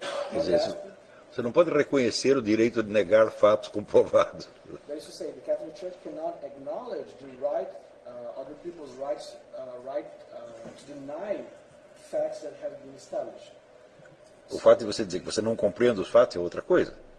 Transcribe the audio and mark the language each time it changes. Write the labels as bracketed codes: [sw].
[pt] Você não pode reconhecer o direito de negar fatos comprovados. [en] That is to say, the Catholic Church cannot acknowledge the right, other people's rights, right to deny facts that have been established. [pt] O fato de você dizer que você não compreende os fatos é outra coisa.